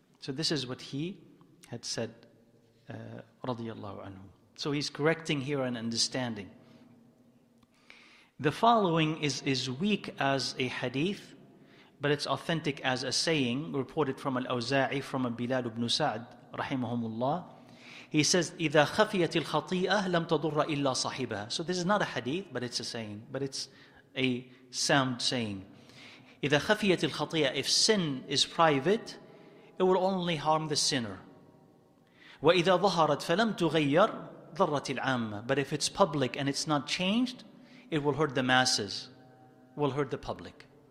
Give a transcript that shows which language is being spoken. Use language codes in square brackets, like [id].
[en] So this is what he had said, radiallahu anhu. So he's correcting here an understanding. The following is weak as a hadith, but it's authentic as a saying reported from Al-Awza'i, from Bilal ibn Sa'd, rahimahumullah. He says, [ar] إِذَا خَفِيَتِ الْخَطِيئَةِ لَمْ تَضُرَّ إِلَّا صَحِبَهَا. [en] So this is not a hadith, but it's a saying. But it's a sound saying. [ar] إِذَا خَفِيَتِ الْخَطِيئَةِ, [en] if sin is private, it will only harm the sinner. [ar] وَإِذَا ظَهَرَتْ فَلَمْ تُغَيَّرْ ضَرَّتِ الْعَامَّةِ. [en] But if it's public and it's not changed, it will hurt the masses, will hurt the public.